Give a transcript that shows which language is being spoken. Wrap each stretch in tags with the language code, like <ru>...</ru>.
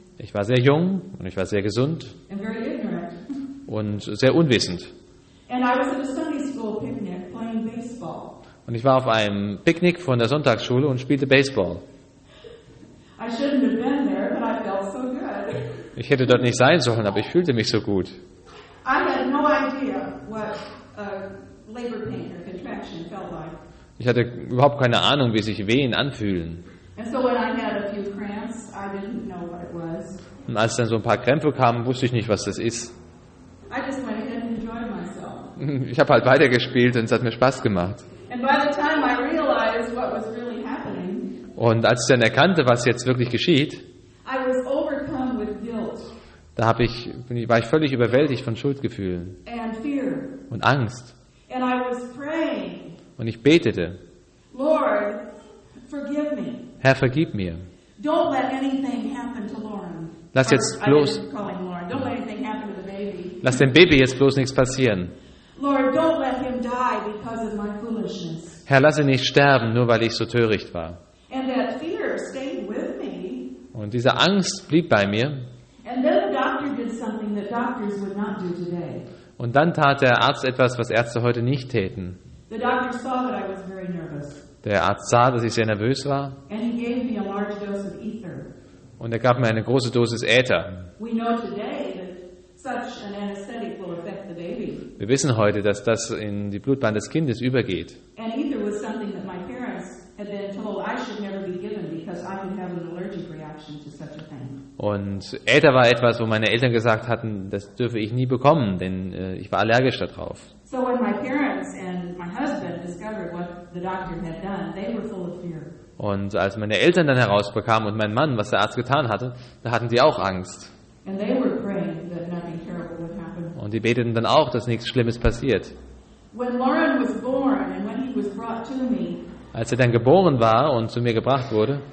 <de>Ich war sehr jung und ich war sehr gesund</de> <en>and very ignorant.</en> <de>Und sehr unwissend.</de> <en>And I was at a Sunday school picnic playing baseball.</en> <de>Und ich war auf einem Picknick von der Sonntagsschule und spielte Baseball.</de> <en>I shouldn't have been there, but I felt so good.</en> <de>Ich hätte dort nicht sein sollen, aber ich fühlte mich so gut.</de> <en>I had no idea what labor pain or contraction felt like.</en> <de>Ich hatte überhaupt keine Ahnung, wie sich Wehen anfühlen.</de> <en>And so when I had a few cramps, I didn't know what it was.</en> <de>Und als dann so ein paar Krämpfe kamen, wusste ich nicht, was das ist.</de> <en>I just went ahead and enjoyed myself.</en> <de>Ich habe halt weitergespielt und es hat mir Spaß gemacht.</de> <en>And by the time I realized what was really happening,</en> <de>und als ich dann erkannte, was jetzt wirklich geschieht,</de> <en>I was overcome with guilt.</en> <de>Da war ich völlig überwältigt von Schuldgefühlen</de> <en>and fear.</en> <de>Und Angst.</de> <en>And I was praying.</en> <de>Und ich betete,</de> <en>Lord, forgive me.</en> <de>Herr, vergib mir.</de> <en>Don't let anything happen to Lauren.</en> <de>Lass jetzt bloß,</de> <en>don't let anything happen to the baby.</en> <de>Lass dem Baby jetzt bloß nichts passieren.</de> <en>Lord, don't let him die because of my foolishness.</en> <de>Herr, lass ihn nicht sterben, nur weil ich so töricht war.</de> <en>And that fear stayed with me.</en> <de>Und diese Angst blieb bei mir.</de> <en>And then the doctor did something that doctors would not do today.</en> <de>Und dann tat der Arzt etwas, was Ärzte heute nicht täten.</de> <en>The doctor saw that I was very nervous.</en> <de>Der Arzt sah, dass ich sehr nervös war.</de> <en>And he gave me a large dose of ether.</en> <de>Und er gab mir eine große Dosis Äther.</de> <en>We know today that such an anesthetic will affect the baby.</en> <de>Wir wissen heute, dass das in die Blutbahn des Kindes übergeht.</de> <en>And ether was something that my parents had been told I should never be given because I could have an allergic reaction to such a thing.</en> <de>Und Äther war etwas, wo meine Eltern gesagt hatten, das dürfe ich nie bekommen, denn ich war allergisch darauf.</de> <en>So when my parents and my husband discovered what the doctor had done, they were full of fear.</en> <de>Und als meine Eltern dann herausbekamen und mein Mann, was der Arzt getan hatte, da hatten sie auch Angst.</de> <en>And they were praying that nothing terrible would happen.</en> <de>Und die beteten dann auch, dass nichts Schlimmes passiert.</de> <en>When Lauren was born and when he was brought to me,</en> <de>als er dann geboren war und zu mir gebracht wurde,</de>